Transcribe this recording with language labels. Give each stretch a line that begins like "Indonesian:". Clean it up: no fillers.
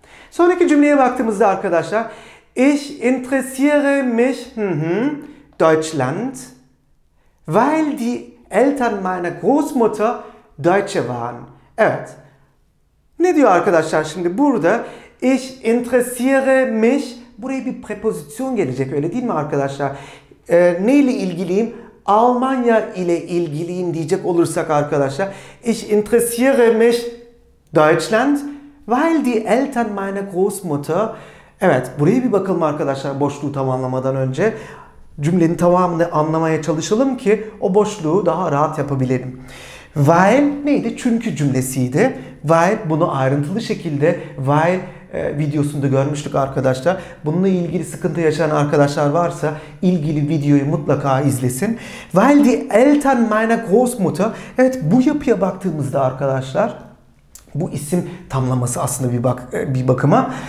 Turkish: Sonraki cümleye baktığımızda arkadaşlar,
German: ich interessiere mich Deutschland, weil die Eltern meiner Großmutter Deutsche waren.
Turkish: Evet. Ne diyor arkadaşlar şimdi burada?
German: Ich interessiere mich.
Turkish: Buraya bir preposition gelecek, öyle değil mi arkadaşlar? Neyle ilgiliyim? Almanya ile ilgiliyim diyecek olursak arkadaşlar.
German: Ich interessiere mich Deutschland, weil die Eltern meiner Großmutter.
Turkish: Evet, buraya bir bakalım arkadaşlar boşluğu tamamlamadan önce. Cümlenin tamamını anlamaya çalışalım ki o boşluğu daha rahat yapabilirim. Weil neydi? Çünkü cümlesiydi. Weil bunu ayrıntılı şekilde weil videosunda görmüştük arkadaşlar. Bununla ilgili sıkıntı yaşayan arkadaşlar varsa ilgili videoyu mutlaka izlesin.
German: Weil die Eltern meiner Großmutter.
Turkish: Evet, bu yapıya baktığımızda arkadaşlar, bu isim tamlaması aslında bir bakıma.